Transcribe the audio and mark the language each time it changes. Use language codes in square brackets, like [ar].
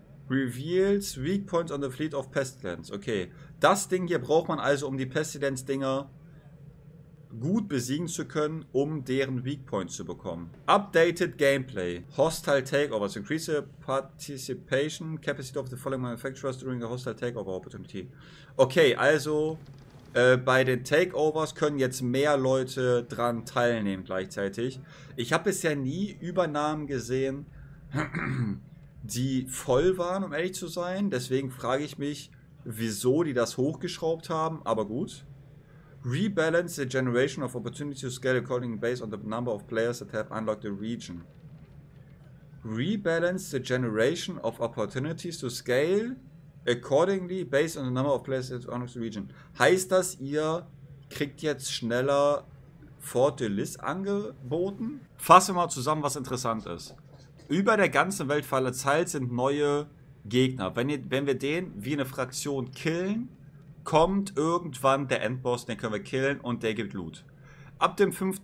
[en] Reveals weak points on the fleet of Pestilence. Okay. [de] Das Ding hier braucht man also, um die Pestilence-Dinger gut besiegen zu können, um deren Weak Points zu bekommen. [en] Updated Gameplay. Hostile Takeovers. Increase the Participation Capacity of the following manufacturers during a Hostile Takeover Opportunity. [de] Okay, also bei den Takeovers können jetzt mehr Leute dran teilnehmen gleichzeitig. Ich habe bisher nie Übernahmen gesehen, die voll waren, um ehrlich zu sein. Deswegen frage ich mich, wieso die das hochgeschraubt haben. Aber gut. [en] Rebalance the generation of opportunity to scale according based on the number of players that have unlocked the region. Rebalance the generation of opportunities to scale accordingly based on the number of players that have unlocked the region. [de] Heißt das, ihr kriegt jetzt schneller Fortelis angeboten? Fassen wir mal zusammen, was interessant ist. Über der ganzen Welt verteilt sind neue Gegner. Wenn wir den wie eine Fraktion killen, kommt irgendwann der Endboss, den können wir killen und der gibt Loot. Ab dem 5.